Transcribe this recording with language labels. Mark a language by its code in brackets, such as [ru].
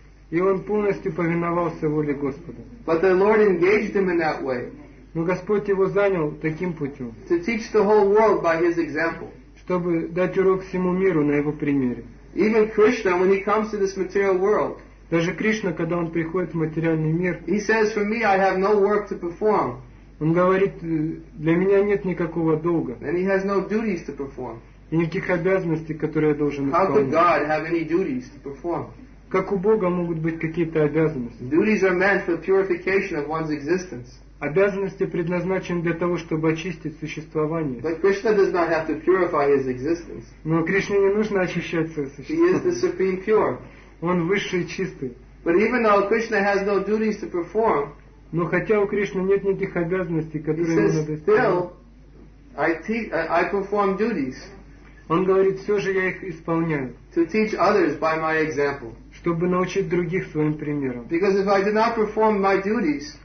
[ru] И он полностью повиновался воле Господа. [en] But the Lord engaged him in that way. [ru] Но Господь его занял таким путем, [en] to teach the whole world by his example. [ru] Чтобы дать урок всему миру на его примере. [en] Even Krishna, when he comes to this material world, [ru] даже Кришна, когда он приходит в материальный мир, [en] he says, "For me, I have no work to perform." [ru] Он говорит, для меня нет никакого долга. [en] And he has no duties to perform. [ru] И никаких обязанностей, которые я должен исполнять. [en] How could God have any duties to perform? [ru] Как у Бога могут быть какие-то обязанности? [en] Duties are meant for purification of one's existence. [ru] Обязанности предназначены для того, чтобы очистить существование. [en] But Krishna does not have to purify his existence. [ru] Но Кришне не нужно очищать свое существование. [en] He is the supreme pure. [ru] Он высший и чистый. [en] But even though Krishna has no duties to perform, [ru] но хотя у Кришны нет никаких обязанностей, которые [en] he says, [ru] ему надо исполнять, [en] still, I perform duties. [ru] Он говорит, все же я их исполняю. [en] To teach others by my example. [ru] Чтобы научить других своим примером. [en] Because if I do not perform my duties,